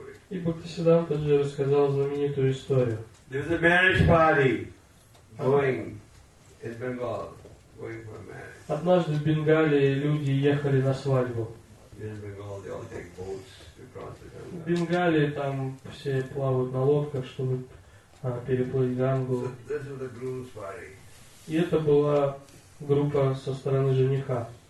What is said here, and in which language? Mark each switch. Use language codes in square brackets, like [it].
[ru] И Бхактисиддханта же рассказал знаменитую историю. [en] There was a marriage party going in Bengal, going for a marriage. [ru] Однажды в Бенгале люди ехали на свадьбу. [en] In Bengal, they all take boats to cross the Ganga. [ru] В Бенгале там все плавают на лодках, чтобы переплыть Гангу. [en] So this was the groom's party. [ru] И это была группа со стороны жениха.